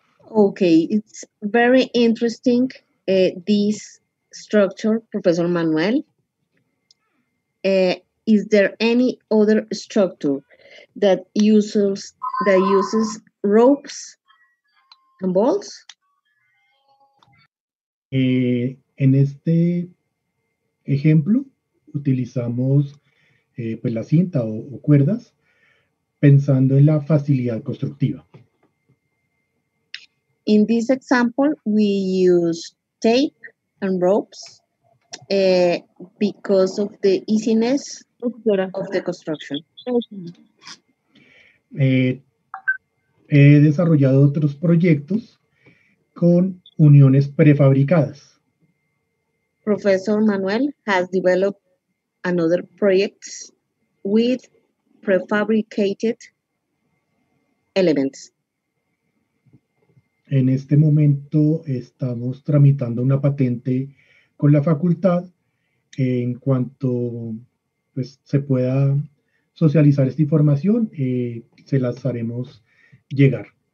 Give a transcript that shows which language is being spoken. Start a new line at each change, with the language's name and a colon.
English: Okay, it's very interesting this structure, Professor Manuel. Is there any other structure that uses ropes and bolts?
Spanish: En este ejemplo utilizamos pues la cinta o cuerdas pensando en la facilidad constructiva.
English: In this example, we use tape and ropes because of the easiness of the construction.
Spanish: He desarrollado otros proyectos con uniones prefabricadas.
English: Professor Manuel has developed another projects with prefabricated elements.
Spanish: En este momento estamos tramitando una patente con la facultad en cuanto pues se pueda socializar esta información, se las haremos llegar.